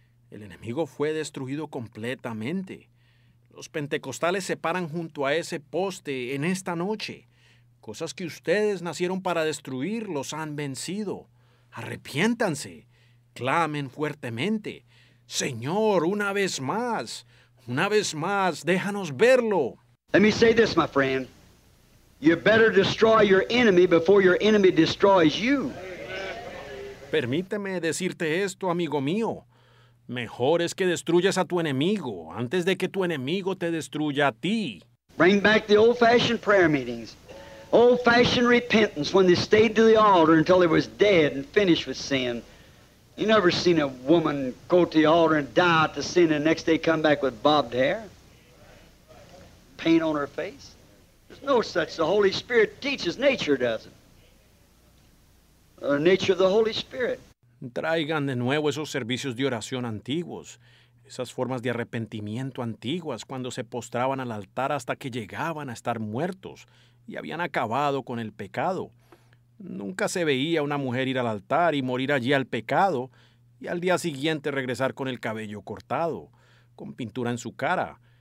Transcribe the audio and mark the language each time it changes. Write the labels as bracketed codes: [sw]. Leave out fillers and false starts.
[es] El enemigo fue destruido completamente. Los pentecostales se paran junto a ese poste en esta noche. Cosas que ustedes nacieron para destruir los han vencido. Arrepiéntanse. Clamen fuertemente. Señor, una vez más. Una vez más, déjanos verlo. [en] Let me say this, my friend. You better destroy your enemy before your enemy destroys you. [es] Permíteme decirte esto, amigo mío. Mejor es que destruyas a tu enemigo antes de que tu enemigo te destruya a ti. [en] Bring back the old-fashioned prayer meetings. Old-fashioned repentance when they stayed to the altar until they was dead and finished with sin. You never seen a woman go to the altar and die to sin and the next day come back with bobbed hair? Paint on her face? No such. The Holy Spirit teaches. Nature doesn't. The nature of the Holy Spirit. [es] Traigan de nuevo esos servicios de oración antiguos, esas formas de arrepentimiento antiguas cuando se postraban al altar hasta que llegaban a estar muertos y y habían acabado con el pecado. Nunca se veía una mujer ir al altar y morir allí al pecado y al día siguiente regresar con el cabello cortado, con pintura en su cara.